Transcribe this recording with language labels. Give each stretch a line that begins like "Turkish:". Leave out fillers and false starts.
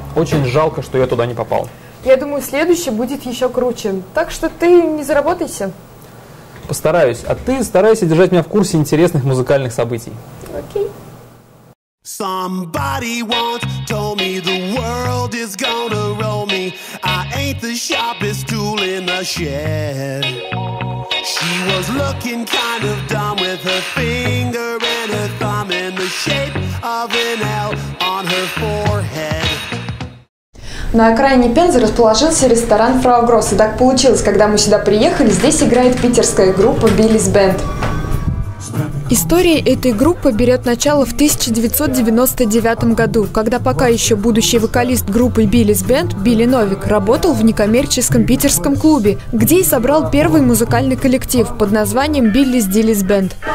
Russian: Очень жалко, что я туда не попал. Я думаю, следующий будет еще круче. Так что ты не заработайся. Постараюсь. А ты старайся держать меня в курсе интересных музыкальных событий. Окей.
English: Somebody once told me the world is gonna roll me. I ain't the sharpest tool in the shed. She was looking kind of dumb with her finger and her thumb in the shape of an L on her forehead.
Russian: На окраине Пензы расположился ресторан «Фрау Гросс». И так получилось, когда мы сюда приехали, здесь играет питерская группа «Биллис Бэнд». История этой группы берет начало в 1999 году, когда пока еще будущий вокалист группы «Биллис Бэнд» Билли Новик работал в некоммерческом питерском клубе, где и собрал первый музыкальный коллектив под названием «Биллис Диллис Бэнд».